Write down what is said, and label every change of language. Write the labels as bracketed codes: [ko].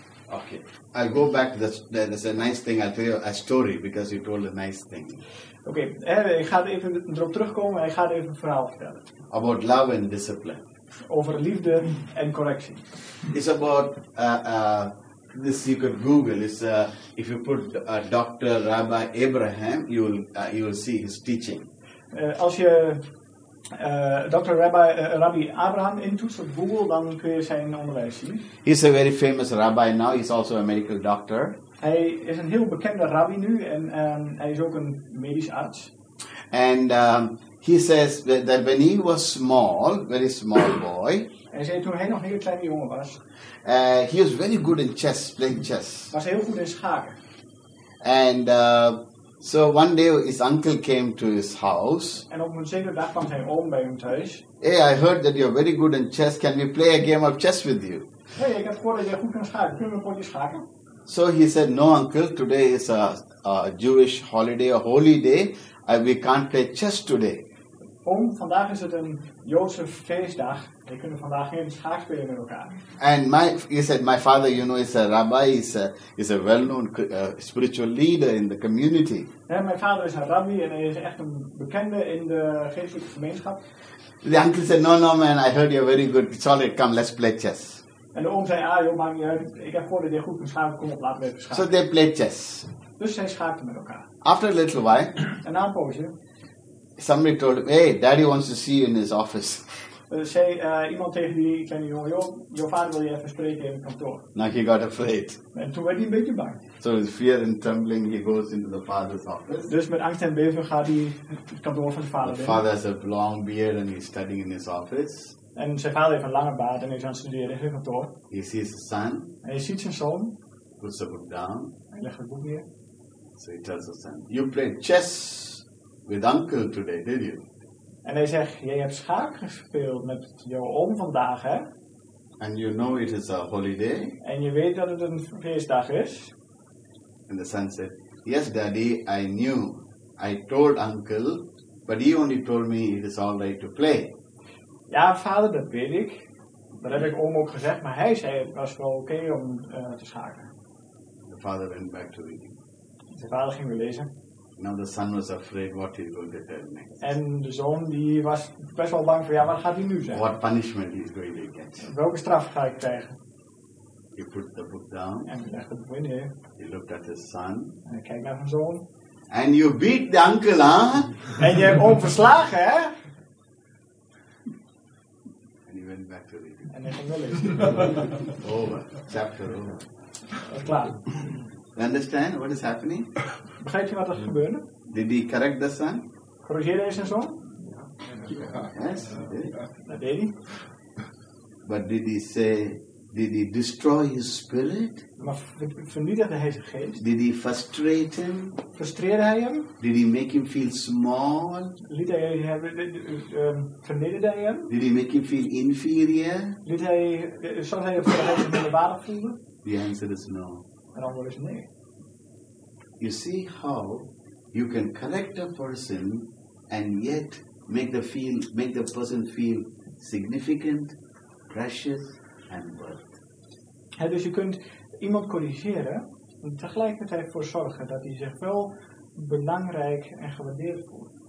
[en] Okay, I'll go back to there's a nice thing, I'll tell you a story, because you told a nice thing. [nl] Okay, ik ga even erop terugkomen, ik ga even een verhaal vertellen. [en] About love and discipline. [nl] Over liefde en correctie. [en] It's about, this you could Google, it's, if you put Dr. Rabbi Abraham, you will see his teaching. [nl] Als je Dr. Rabbi Abraham intoets op Google, dan kun je zijn onderwijs zien. [en] He's a very famous rabbi now, he's also a medical doctor. [nl] Hij is een heel bekende rabbi nu en hij is ook een medisch arts. [en] And he says that when he was small, very small boy. [nl] Hij zei toen hij nog een heel kleine jongen was. [en] He was very good in chess, playing chess. [nl] Was heel goed in schaken. [en] And so one day his uncle came to his house. [nl] En op een zekere dag kwam zijn oom bij hem thuis. [en] Hey, I heard that you're very good in chess. Can we play a game of chess with you? [nl] Hey, ik heb gehoord dat jij goed kan schaken. Kunnen we een potje schaken? [en] So he said, no uncle, today is a Jewish holiday, a holy day. We can't play chess today. [nl] Om, vandaag is het een Joodse feestdag. We kunnen vandaag geen schaak spelen met elkaar. [en] And he said, my father, you know, is a rabbi, is a well-known spiritual leader in the community. [nl] Ja, mijn vader is een rabbi en hij is echt een bekende in de geestelijke gemeenschap. [en] The uncle said, no man, I heard you're very good. It's alright, come, let's play chess. [nl] En de oom zei, ah joh, maakt niet uit. Ik heb gehoord dat je goed kunt schaken, kom op, laten we even schaken. [en] So they played chess. [nl] Dus zij schaakten met elkaar. [en] After a little while. [nl] En na een poosje. [en] Somebody told him, hey, daddy wants to see you in his office. [nl] Zei iemand tegen die kleine jongen, jouw vader wil je even spreken in het kantoor. [en] Now he got afraid. [nl] En toen werd hij een beetje bang. [en] So with fear and trembling, he goes into the father's office. [nl] Dus met angst en beven gaat hij het kantoor van zijn vader binnen. [en] The father has a long beard and he's studying in his office. [nl] En zijn vader heeft een lange baard en hij is aan het studeren in zijn kantoor. [en] He sees his son. [nl] En hij ziet zijn zoon. [en] Puts the book down. [nl] Hij legt het boek neer. [en] So he tells his son, you played chess with uncle today, did you? [nl] En hij zegt, jij hebt schaak gespeeld met jouw oom vandaag, hè? [en] And you know it is a holiday. [nl] En je weet dat het een feestdag is. [en] And the son said, yes daddy, I knew. I told uncle, but he only told me it is all right to play. [nl] Ja vader, dat weet ik. Dat heb ik oom ook gezegd, maar hij zei het was wel oké om te schaken. [en] The father went back to reading. [nl] De vader ging weer lezen. [en] Now the son was afraid what he's going to tell next. [nl] En de zoon die was best wel bang voor, ja, wat gaat hij nu zeggen? [en] What punishment he's going to get. [nl] Welke straf ga ik krijgen? [en] He put the book down. [nl] En hij legde het boek neer. [en] He looked at his son. [nl] En hij kijkt naar zijn zoon. [en] And you beat the uncle, hè? Huh? [nl] En je hebt oom verslagen, hè? [en] And he went back to reading. [nl] En hij ging wel lezen. [en] Over. Chapter over. [nl] Dat is klaar. [en] You understand what is happening? [nl] Begrijp je wat er gebeurde? [en] Did he correct the son? [nl] Corrigeerde hij zijn zoon? [en] Yes, he did. [nl] Dat deed hij. [en] But did he say, did he destroy his spirit? [nl] Maar vernietigde hij zijn geest? [en] Did he frustrate him? [nl] Frustreerde hij hem? [en] Did he make him feel small? [nl] Liet hij hem, vernederde hij hem? [en] Did he make him feel inferior? [nl] Liet hij, zoals hij voor hem minderwaardig voelde? [en] The answer is no. [nl] En dan is nee. [en] You see how you can correct a person and yet make the person feel significant, precious and worth. [nl] Ja, dus je kunt iemand corrigeren en tegelijkertijd voor zorgen dat hij zich wel belangrijk en gewaardeerd voelt.